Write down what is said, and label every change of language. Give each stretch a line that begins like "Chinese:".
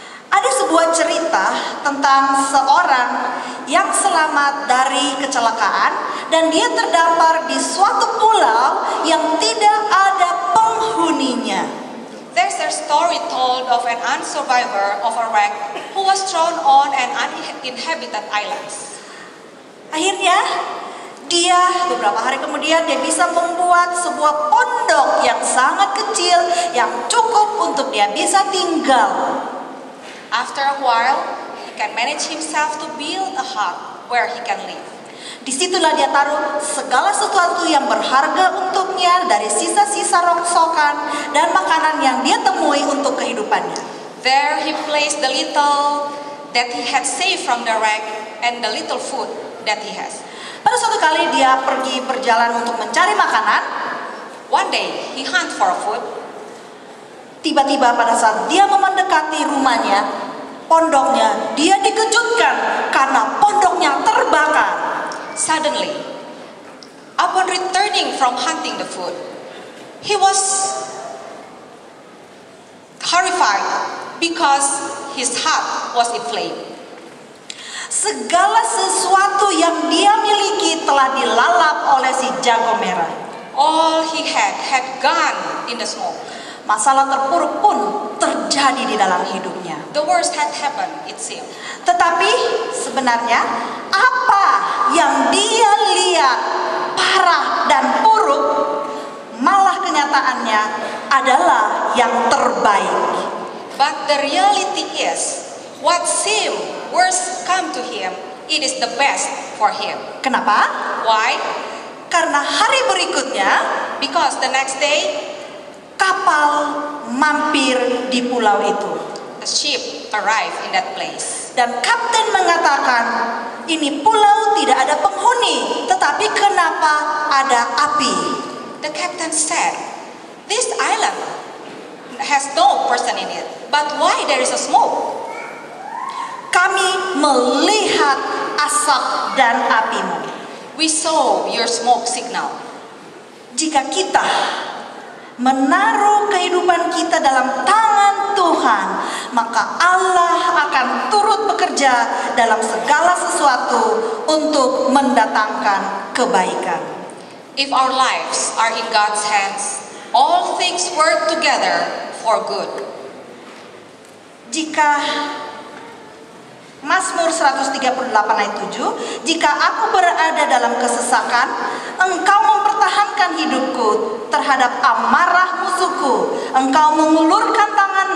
Indonesian: Ada sebuah cerita tentang seorang yang selamat dari kecelakaan dan dia terdampar di suatu pulau yang tidak ada penghuninya.
English: There's a story told of an unsurvivor of a wreck who was thrown on an uninhabited island.
Indonesian: Akhirnya dia beberapa hari kemudian dia bisa membuat sebuah pondok yang sangat kecil yang cukup untuk dia bisa tinggal.
English: After a while, he can manage himself to build a hut where he can live.
Indonesian: Disitulah dia taruh segala sesuatu yang berharga untuknya dari sisa-sisa rongsokan dan makanan yang dia temui untuk kehidupannya.
English: There he placed the little that he had saved from the wreck and the little food that he has.
Indonesian: Pada suatu kali dia pergi berjalan untuk mencari makanan.
English: One day he hunt for food.
Indonesian: Tiba-tiba pada saat dia mendekati rumahnya, pondoknya, dia dikejutkan karena pondoknya terbakar.
English: Suddenly, upon returning from hunting the food, he was horrified because his hut was in flame.
Indonesian: Segala sesuatu yang dia miliki telah dilalap oleh si jago merah.
English: All he had gone in the smoke.
Indonesian: Masalah terpuruk pun terjadi di dalam hidupnya.
English: The worst had happened, it seemed.
Indonesian: Tetapi sebenarnya apa yang dia lihat parah dan buruk malah kenyataannya adalah yang terbaik.
English: But the reality is what seemed worst come to him, it is the best for him.
Indonesian: Kenapa?
English: Why?
Indonesian: Karena hari berikutnya,
English: because the next day,
Indonesian: kapal mampir di pulau itu.
English: A ship arrived in that place.
Indonesian: Dan kapten mengatakan, ini pulau tidak ada penghuni, tetapi kenapa ada api?
English: The captain said, this island has no person in it, but why there is a smoke?
Indonesian: Kami melihat asap dan apimu.
English: We saw your smoke signal.
Indonesian: Jika kita menaruh kehidupan kita dalam tangan Tuhan, maka Allah akan turut bekerja dalam segala sesuatu untuk mendatangkan kebaikan.
English: If our lives are in God's hands, all things work together for good.
Indonesian: Jika Mazmur 138 ayat 7, jika aku berada dalam kesesakan, engkau mempertahankan hidupku terhadap amarah musuhku. Engkau mengulurkan tanganmu